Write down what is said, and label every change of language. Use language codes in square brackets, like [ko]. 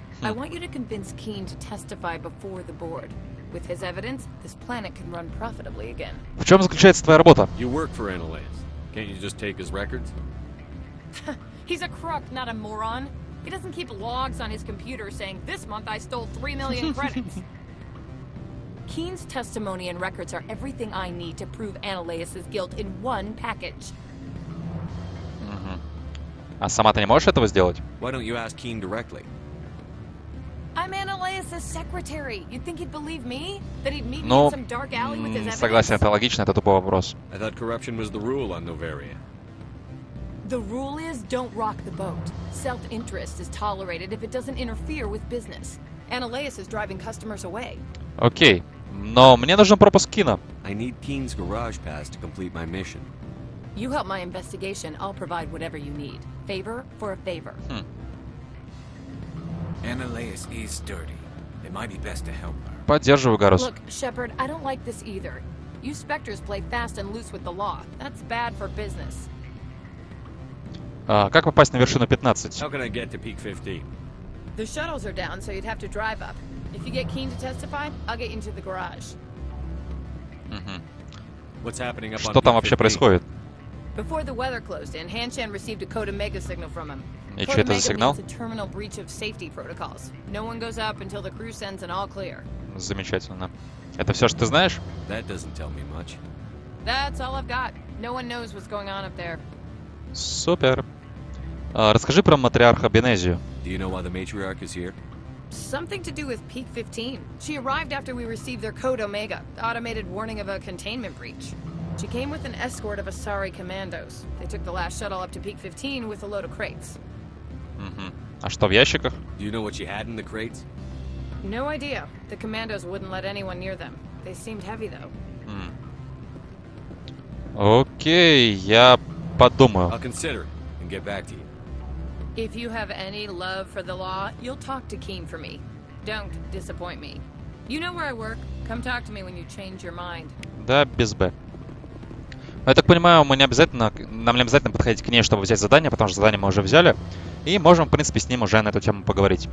[en] I want you to convince Keen to testify before the board. With his evidence, this planet can run profitably again. [ru] В чем заключается твоя работа? [en] You work for Analeas. Can't you just take his records? He's a crook, not a moron. He doesn't keep logs on his computer saying, this month I stole 3 million credits. Keen's testimony and records are everything I need to prove Analeas' guilt in one package. [ru] А сама ты не можешь этого сделать? [en] Why don't you ask Keen directly? I'm Analeas's secretary. You think he'd believe me? That he'd meet ну, me in some dark alley with his evidence? [ru] Согласен, это логично, это тупой вопрос. [en] I thought corruption was the rule on Novaria. The rule is don't rock the boat. Self-interest is tolerated if it doesn't interfere with business. Analeas is driving customers away. [ru] Окей, но мне нужен пропуск Кина. [en] I need Keen's garage pass to complete my mission. You help my investigation, I'll provide whatever you need. Favor for a favor. Hmm. Analeas is dirty. It might be best to help her. [ru] Поддерживаю, Гарус. [en] Look, Shepard, I don't like this either. You Spectres play fast and loose with the law. That's bad for business. [ru] Как попасть на вершину 15? [en] How can I get to peak 15? The shuttles are down, so you'd have to drive up. If you get keen to testify, I'll get into the garage. Mm-hmm. What's happening up on peak 15? [ru] Что там вообще происходит? [en] Before the weather closed in, Hanshan received a Code Omega signal from him. [ru] И что это за сигнал? [en] Means a terminal breach of safety protocols. No one goes up until the crew sends an all clear. [ru] Замечательно. Это все, что ты знаешь? [en] That doesn't tell me much. That's all I've got. No one knows what's going on up there. [ru] Супер. Расскажи про матриарха Бенезию. [en] Do you know why the matriarch is here? Something to do with Peak 15. She arrived after we received their Code Omega, automated warning of a containment breach. She came with an escort of Asari commandos. They took the last shuttle up to Peak 15 with a load of crates. [ru] Mm-hmm. А что в ящиках? [en] Do you know what she had in the crates? No idea. The commandos wouldn't let anyone near them. They seemed heavy, though. [ru] Mm. Okay, я подумаю. [en] I'll consider and get back to you. If you have any love for the law, you'll talk to Keen for me. Don't disappoint me. You know where I work. Come talk to me when you change your mind. [ru] Да, без Б. Я так понимаю, мы не обязательно, нам не обязательно подходить к ней, чтобы взять задание, потому что задание мы уже взяли. И можем, в принципе, с ним уже на эту тему поговорить.